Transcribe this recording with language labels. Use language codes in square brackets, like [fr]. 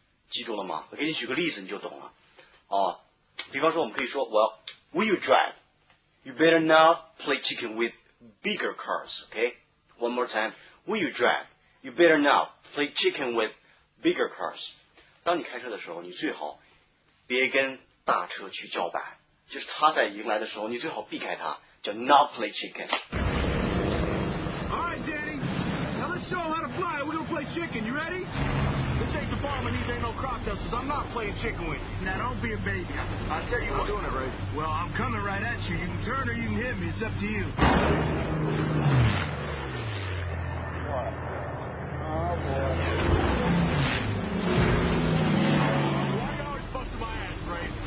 [zh] 记住了吗？我给你举个例子你就懂了。比方说我们可以说 [en] Well, when you drive, you better not play chicken with bigger cars, okay? One more time. When you drive, you better not play chicken with bigger cars. [zh] 当你开车的时候你最好别跟大车去叫板。就是他在迎来的时候你最好避开他叫 [en] not play chicken. All right, Danny. Now let's show him how to fly. We're going to play chicken. You ready? This ain't the farm and these ain't no crop dusters. I'm not playing chicken with you. Now, don't be a baby. I'll tell you what. I'm doing it, Ray. Well, I'm coming right at you. You can turn or you can hit me. It's up to you. What? Oh, boy. Why are you always busting my ass, Ray?